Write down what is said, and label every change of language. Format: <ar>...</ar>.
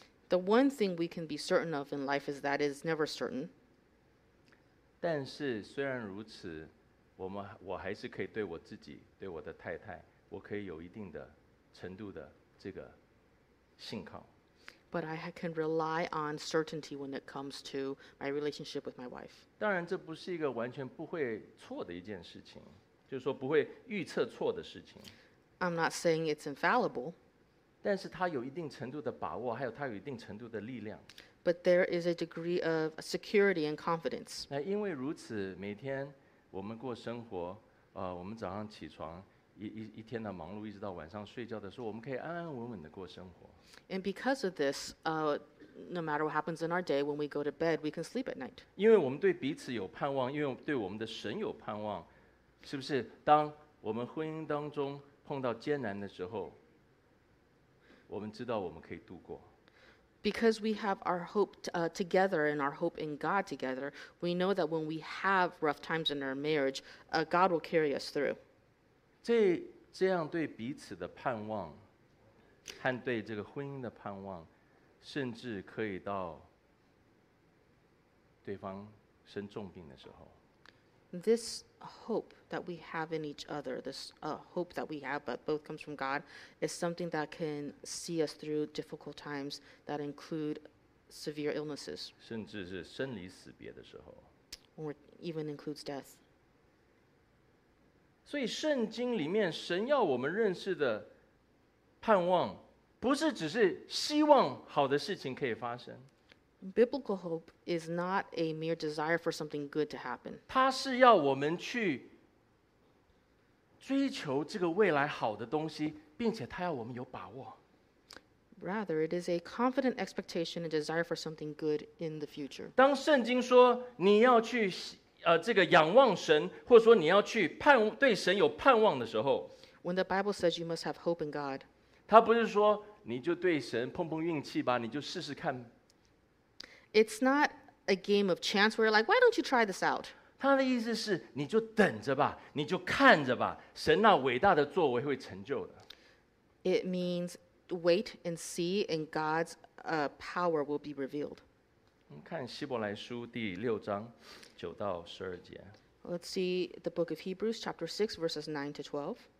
<en>The one thing we can be certain of in life is that it is never certain.</en> <zh>但是虽然如此，我还是可以对我自己，对我的太太，我可以有一定的程度的这个信靠。</zh> <en>But I can rely on certainty when it comes to my relationship with my wife.</en> <zh>当然，这不是一个完全不会错的一件事情，就是说不会预测错的事情。</zh> <en>I'm not saying it's infallible.</en> <zh>但是他有一定程度的把握，还有他有一定程度的力量。</zh> <en>But there is a degree of security and confidence.</en> <zh>那因为如此，每天我们过生活，我们早上起床。一天的忙碌，一直到晚上睡觉的时候，我们可以安安稳稳的过生活。</zh> <en>And because of this, no matter what happens in our day, when we go to bed, we can sleep at night.</en> <zh>因为我们对彼此有盼望，因为对我们的神有盼望，是不是？当我们婚姻当中碰到艰难的时候，我们知道我们可以度过。</zh> <en>Because we have our hope together and our hope in God together, we know that when we have rough times in our marriage, God will carry us through.</en> <zh>这样对彼此的盼望和对这个婚姻的盼望，甚至可以到对方生重病的时候。</zh> <en>This hope that we have in each other, this hope that we have, but both comes from God, is something that can see us through difficult times that include severe illnesses.</en> <zh>甚至是生离死别的时候。</zh> <en>Or even includes death.</en> <zh>所以圣经里面神要我们认识的盼望，不是只是希望好的事情可以发生。</zh> <en>Biblical hope is not a mere desire for something good to happen.</en> <zh>它是要我们去追求这个未来好的东西，并且它要我们有把握。</zh> <en>Rather, it is a confident expectation and desire for something good in the future.</en> <zh>当圣经说你要去这个仰望神，或者说你要去盼对神有盼望的时候</zh> <en>，When the Bible says you must have hope in God，</en> <zh>他不是说你就对神碰碰运气吧，你就试试看。</zh> <en>It's not a game of chance where you're like, why don't you try this out？</en> <zh>他的意思是，你就等着吧，你就看着吧，神那伟大的作为会成就的。</zh> <en>It means wait and see, and God's power will be revealed.</en> <zh>我们看希伯来书第六章。九到十二节。</zh> <en>Let's see the book of Hebrews, chapter 6, verses 9 to 12.</en>